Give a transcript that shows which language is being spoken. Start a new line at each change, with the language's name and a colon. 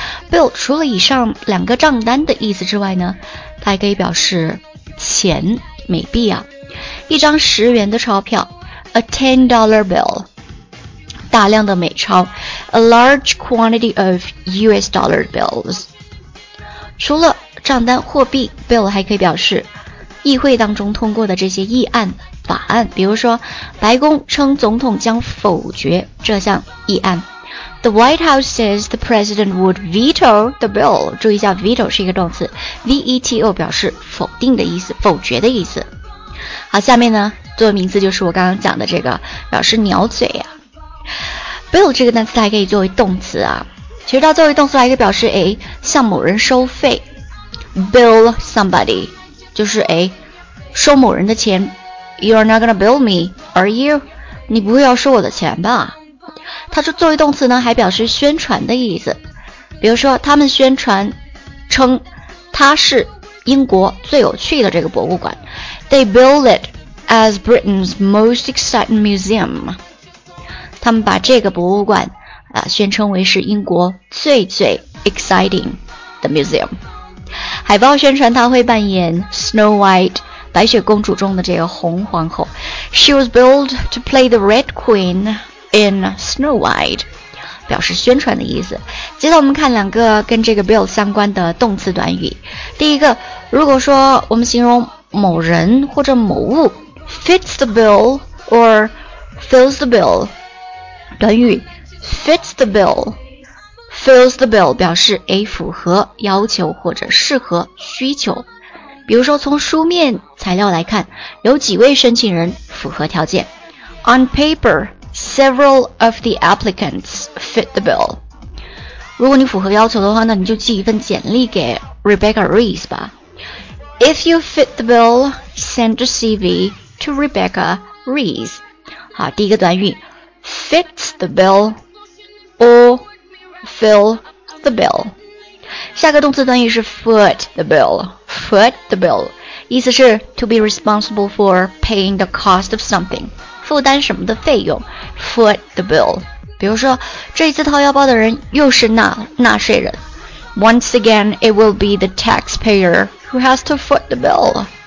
Chinese: Bill 除了以上两个账单的意思之外呢，它还可以表示钱、美币啊，一张十元的钞票 ，
English: a $10 bill，
Chinese: 大量的美钞 ，
English: a large quantity of US dollar bills。
Chinese: 除了账单、货币 ，Bill 还可以表示议会当中通过的这些议案、法案，比如说白宫称总统将否决这项议案。
English: The White House says the president would veto the bill.
Chinese: 注意一下 veto 是一个动词 ,V-E-T-O 表示否定的意思，否决的意思。好，下面呢作为名词就是我刚刚讲的这个表示鸟嘴啊。 Bill 这个单词还可以作为动词啊。其实它作为动词还可以表示诶向某人收费。
English: Bill somebody,
Chinese: 就是诶收某人的钱。
English: You are not gonna bill me, are you?
Chinese: 你不会要收我的钱吧。它是作为动词呢，还表示宣传的意思。比如说，他们宣传称它是英国最有趣的这个博物馆。
English: They bill it as Britain's most exciting museum.
Chinese: 他们把这个博物馆啊宣称为是英国最最 exciting 的 museum。海报宣传它会扮演 Snow White。白雪公主中的这个红皇后。
English: She was billed to play the Red Queen. In Snow White,
Chinese: 表示宣传的意思。接着我们看两个跟这个 bill 相关的动词短语。第一个，如果说我们形容某人或者某物
English: fits the bill or fills the bill,
Chinese: 短语
English: fits the bill, fills the bill
Chinese: 表示符合要求或者适合需求。比如说从书面材料来看，有几位申请人符合条件。
English: On paper,Several of the applicants fit the bill.
Chinese: 如果你符合要求的话，那你就寄一份简历给 Rebecca Reese 吧。
English: If you fit the bill, send a CV to Rebecca Reese.
Chinese: 好，第一个短语
English: fits the bill or fill the bill.
Chinese: 下个动词短语是
English: foot the bill. Foot the bill
Chinese: 意思是
English: to be responsible for paying the cost of something.
Chinese: 负担什么的费用 ，
English: foot the bill。
Chinese: 比如说，这一次掏腰包的人又是纳税人。
English: Once again, it will be the taxpayer who has to foot the bill.